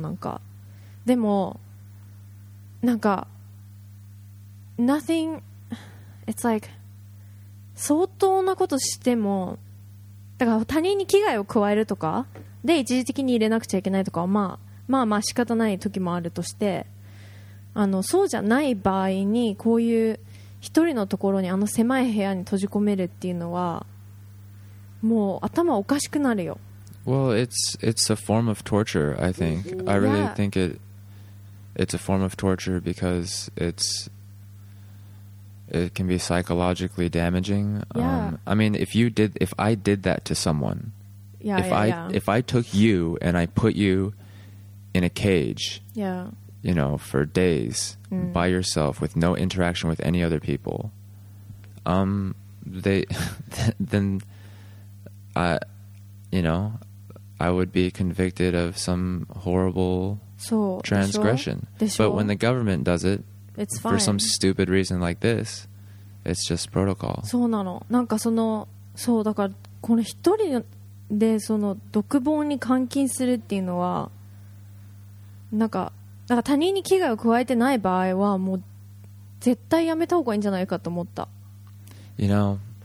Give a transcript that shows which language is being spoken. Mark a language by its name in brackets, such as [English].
[Japanese] なんかでもなんか [English] Nothing It's like [Japanese] 相当なことしても、だから他人に危害を加えるとかで一時的に入れなくちゃいけないとかは、まあまあまあ仕方ない時もあるとして、あのそうじゃない場合にこういう一人のところにあの狭い部屋に閉じ込めるっていうのはもう頭おかしくなるよ。 [English] Well, it's a form of torture, I think. I really think it's a form of torture because it can be psychologically damaging. I mean, if I did that to someone, if I took you and I put youin a cage, yeah, you know, for days by yourself with no interaction with any other people, I would be convicted of some horrible transgression. But when the government does it, it's fine. For some stupid reason like this, it's just protocol. [Japanese] そうなの。なんかその、そうだからこの一人でその独房に監禁するっていうのは、なんか、なんか他人に危害を加えてない場合はもう絶対やめた方がいいんじゃないかと思った。 [English] You know,